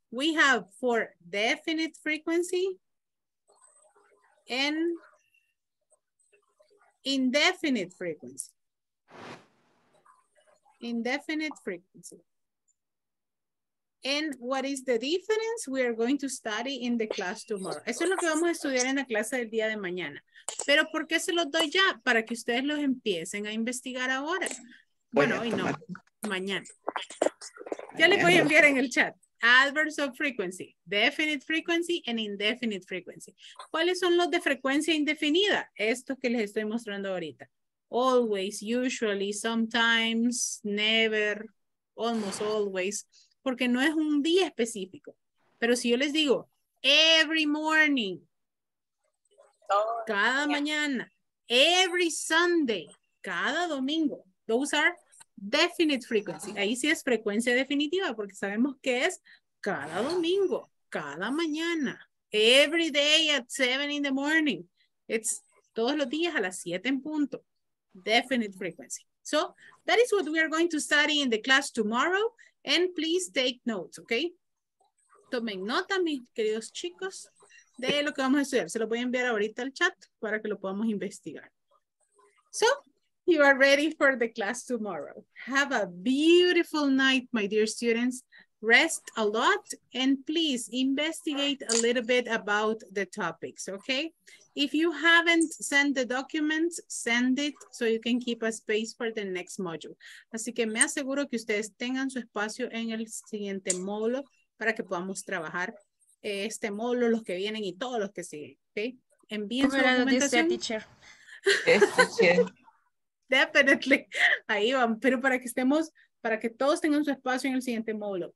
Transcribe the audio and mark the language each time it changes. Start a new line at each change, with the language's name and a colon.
English: We have for definite frequency and indefinite frequency. Indefinite frequency. And what is the difference? We are going to study in the class tomorrow.
Spanish: Eso es lo que vamos a estudiar en la clase del día de mañana. Pero ¿por qué se los doy ya? Para que ustedes los empiecen a investigar ahora. Bueno, hoy no, mañana. Ya les voy a enviar en el chat.
English: Adverbs of frequency, definite frequency and indefinite frequency.
Spanish: ¿Cuáles son los de frecuencia indefinida? Estos que les estoy mostrando ahorita.
English: Always, usually, sometimes, never, almost always.
Spanish: Porque no es un día específico. Pero si yo les digo,
English: every morning,
Spanish: cada mañana,
English: every Sunday,
Spanish: cada domingo.
English: Those are definite frequency.
Spanish: Ahí sí es frecuencia definitiva porque sabemos que es cada domingo, cada mañana.
English: Every day at 7 in the morning. It's
Spanish: todos los días a las 7 en punto.
English: Definite frequency. So that is what we are going to study in the class tomorrow. And please take notes, okay?
Spanish: Tomen nota, mis queridos chicos, de lo que vamos a estudiar. Se lo voy a enviar ahorita al chat para que lo podamos investigar.
English: So, you are ready for the class tomorrow. Have a beautiful night, my dear students. Rest a lot and please investigate a little bit about the topics, okay? If you haven't sent the documents, send it so you can keep a space for the next module.
Spanish: Así que me aseguro que ustedes tengan su espacio en el siguiente módulo para que podamos trabajar este módulo, los que vienen y todos los que siguen, okay? Envíen su documentación. Definitely. Ahí van, pero para que estemos... para que todos tengan su espacio en el siguiente módulo.